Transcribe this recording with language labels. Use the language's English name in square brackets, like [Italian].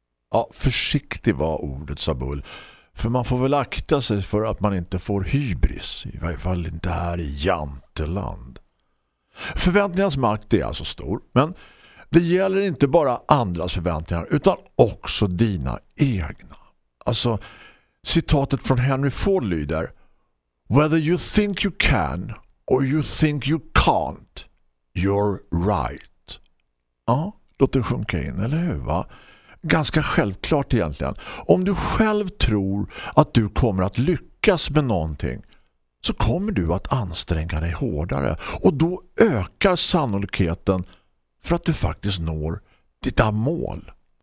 [Swedish] Ja, försiktig var ordet, sa Bull. För man får väl akta sig för att man inte får hybris. I varje fall inte här i Janteland. Förväntningarnas makt är alltså stor. Men det gäller inte bara andras förväntningar utan också dina egna. Alltså, citatet från Henry Ford lyder: [English] "Whether you think you can or you think you can't, you're right." [Swedish] Ja, låt det sjunka in, eller hur, va? Ganska självklart egentligen. Om du själv tror att du kommer att lyckas med någonting, så kommer du att anstränga dig hårdare. Och då ökar sannolikheten för att du faktiskt når ditt mål.